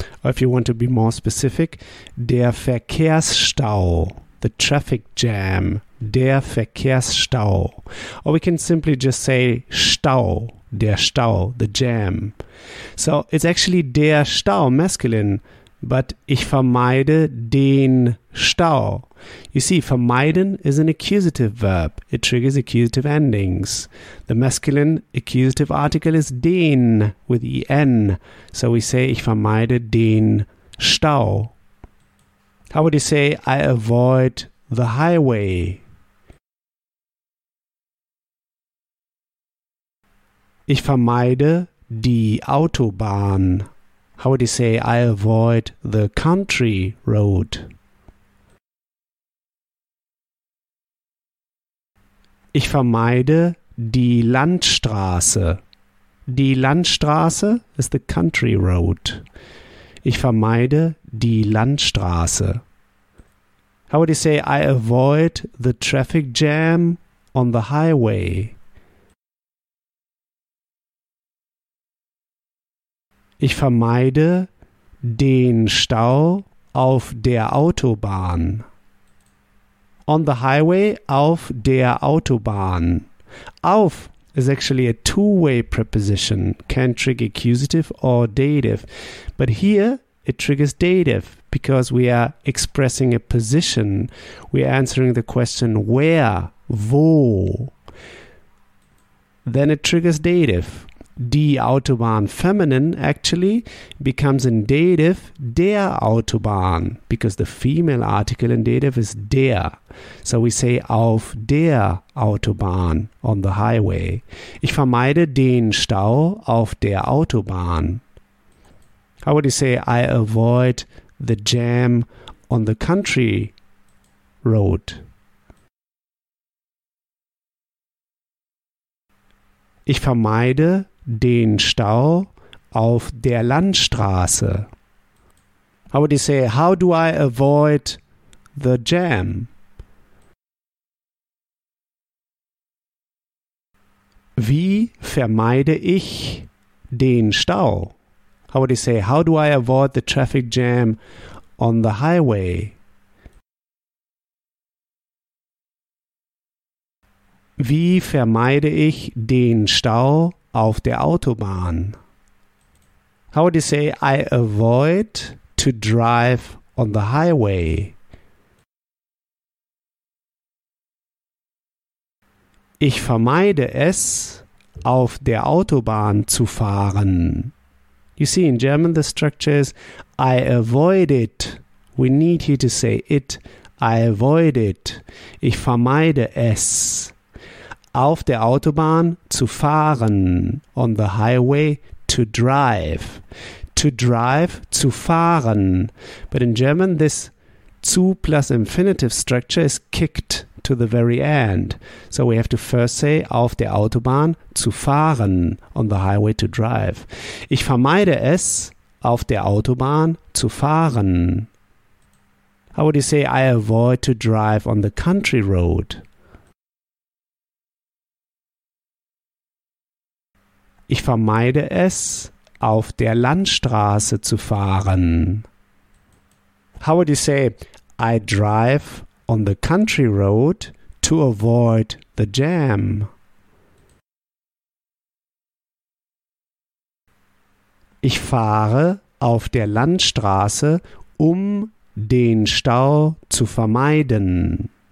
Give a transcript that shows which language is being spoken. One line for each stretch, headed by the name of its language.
English: Or if you want to be more specific,
German: der Verkehrsstau.
English: The traffic jam.
German: Der Verkehrsstau.
English: Or we can simply just say Stau. Der Stau. The jam. So it's actually der Stau, masculine.
German: But ich vermeide den Stau.
English: You see, vermeiden is an accusative verb. It triggers accusative endings. The masculine accusative article is den with en. So we say,
German: ich vermeide den Stau.
English: How would you say, I avoid the highway?
German: Ich vermeide die Autobahn.
English: How would you say, I avoid the country road?
German: Ich vermeide die Landstraße. Die Landstraße
English: is the country road.
German: Ich vermeide die Landstraße.
English: How would you say, I avoid the traffic jam on the highway?
German: Ich vermeide den Stau auf der Autobahn.
English: On the highway,
German: auf der Autobahn.
English: Auf is actually a two-way preposition, can trigger accusative or dative. But here, it triggers dative because we are expressing a position. We are answering the question, where, wo? Then it triggers dative. Die Autobahn, feminine, actually, becomes in dative, der Autobahn, because the female article in dative is der. So we say,
German: auf der Autobahn,
English: on the highway.
German: Ich vermeide den Stau auf der Autobahn.
English: How would you say, I avoid the jam on the country road?
German: Ich vermeide den Stau auf der Landstraße.
English: How would you say, how do I avoid the jam?
German: Wie vermeide ich den Stau?
English: How would you say, how do I avoid the traffic jam on the highway?
German: Wie vermeide ich den Stau auf der Autobahn?
English: How would you say, I avoid to drive on the highway?
German: Ich vermeide es, auf der Autobahn zu fahren.
English: You see, in German, the structure is, I avoid it. We need here to say it. I avoid it.
German: Ich vermeide es. Auf der Autobahn zu fahren,
English: on the highway to drive. To drive,
German: zu fahren.
English: But in German, this zu plus infinitive structure is kicked to the very end. So we have to first say,
German: auf der Autobahn zu fahren,
English: on the highway to drive.
German: Ich vermeide es, auf der Autobahn zu fahren.
English: How would you say, I avoid to drive on the country road?
German: Ich vermeide es, auf der Landstraße zu fahren.
English: How would you say, I drive on the country road to avoid the jam?
German: Ich fahre auf der Landstraße, um den Stau zu vermeiden.